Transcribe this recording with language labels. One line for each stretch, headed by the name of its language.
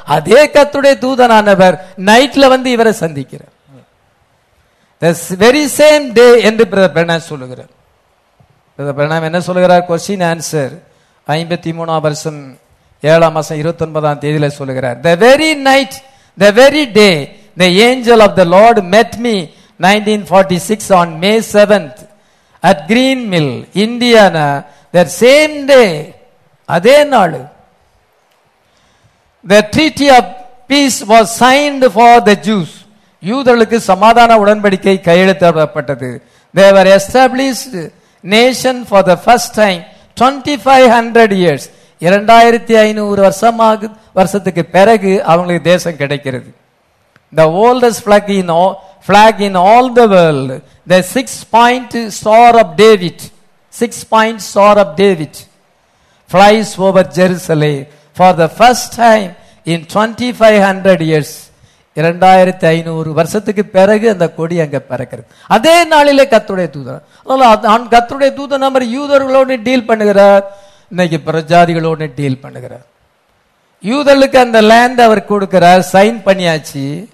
Tamil: அதே கர்த்தருடைய தூதனானவர் நைட்ல வந்து இவரை சந்திக்கிறார்.
English: The very same day
Tamil: என்று பிரதர் பிரணாம் சொல்லுகிறார். பிரதர் பிரணாம் என்ன சொல்லுகிறார்? Question answer 53:7-29 சொல்லுகிறார்.
English: The very night, the very day, the angel of the Lord met me 1946 on May 7th at Green Mill, Indiana. That same day,
Tamil: அதே நாள்
English: the treaty of peace was signed for the Jews.
Tamil: யூதர்களுக்கு சமாதான உடன்படிக்கை கையெழுத்தப்பட்டது.
English: They were established nation for the first time 2500 years.
Tamil: 2500 வருஷத்துக்கு பிறகு அவங்களுக்கு தேசம் கிடைக்கிறது.
English: The oldest flag in all the world. The six-point star of David flies over Jerusalem for the first time in 2500 years.
Tamil: 2500 வருஷத்துக்கு பிறகு அந்த கொடி அங்க பறக்கிறது. அதே நாளிலே கர்த்தருடைய தூதன், கர்த்தருடைய தூதன் நம்பர் யூதர்களோடு டீல் பண்ணுகிறார். இன்னைக்கு பிரஜாதிகளோடு டீல் பண்ணுகிறார். யூதர்களுக்கு அந்த லேண்ட் அவர் கொடுக்கிறார், சைன் பண்ணியாச்சு.